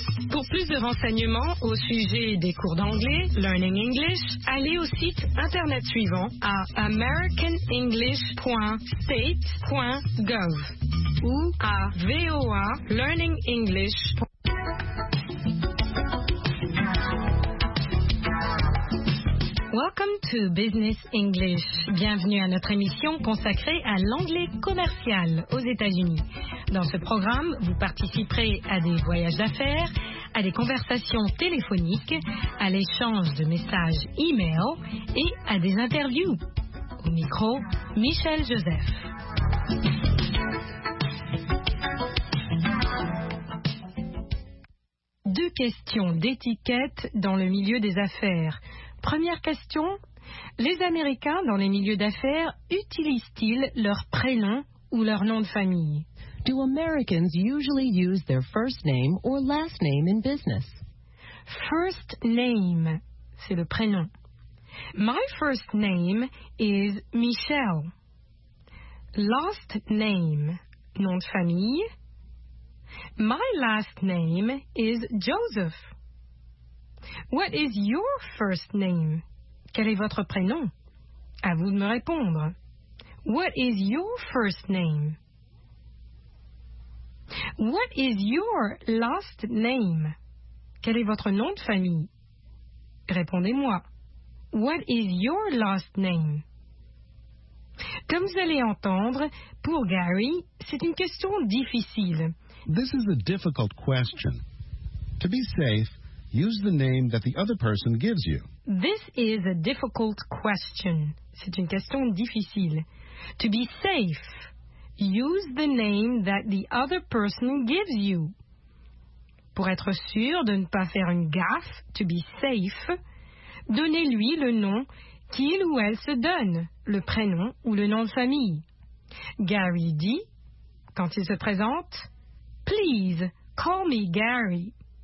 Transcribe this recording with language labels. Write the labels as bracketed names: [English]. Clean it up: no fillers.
[French] Pour plus de renseignements au sujet des cours d'anglais, Learning English, allez au site internet suivant à americanenglish.state.gov ou à voalearningenglish.com. [English] Welcome to Business English. [French] Bienvenue à notre émission consacrée à l'anglais commercial aux États-Unis. Dans ce programme, vous participerez à des voyages d'affaires, à des conversations téléphoniques, à l'échange de messages e-mail et à des interviews. Au micro, Michel Joseph. Deux questions d'étiquette dans le milieu des affaires. Première question, les Américains dans les milieux d'affaires utilisent-ils leur prénom ou leur nom de famille? [English] Do Americans usually use their first name or last name in business? First name, [French] c'est le prénom. [English] My first name is Michel. Last name, [French] nom de famille. [English] My last name is Joseph. What is your first name? [French] Quel est votre prénom? À vous de me répondre. [English] What is your first name? What is your last name? [French] Quel est votre nom de famille? Répondez-moi. [English] What is your last name? [French] Comme vous allez entendre, pour Gary, c'est une question difficile. [English] This is a difficult question. To be safe, use the name that the other person gives you. This is a difficult question. [French] C'est une question difficile. [English] To be safe, use the name that the other person gives you. [French] Pour être sûr de ne pas faire une gaffe, [English] to be safe, [French] donnez-lui le nom qu'il ou elle se donne, le prénom ou le nom de famille. Gary dit, quand il se présente, [English] please call me Gary.